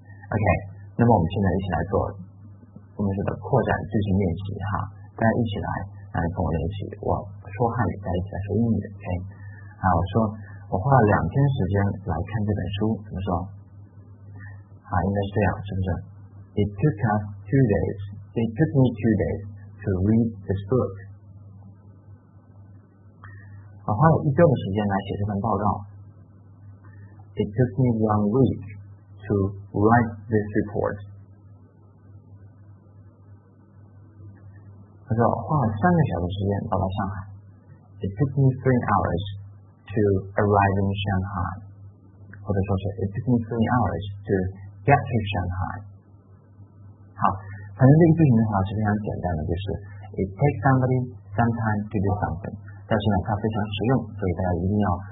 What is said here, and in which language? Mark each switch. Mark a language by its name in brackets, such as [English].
[Chinese] OK, 那么我们现在一起来做我们这个扩展句型练习哈，大家一起来跟我练习我。说汉语，在一起来说英语。OK, 啊，我说我花了两天时间来看这本书，怎么说？啊，应该是这样，是不是 ？ [English] It took us 2 days. It took me 2 days to read this book. [Chinese] 我花了一周的时间来写这份报告。 [English] It took me 1 week to write this report. [Chinese] 他说花了3个小时时间到了上海。 [English] It took me 3 hours to arrive in Shanghai. [Chinese] 或者说是 [English] It took me 3 hours to get to Shanghai. [Chinese] 好，反正这个句型的话是非常简单的，就是 [English] It takes somebody some time to do something. [Chinese] 但是呢，它非常实用，所以大家一定要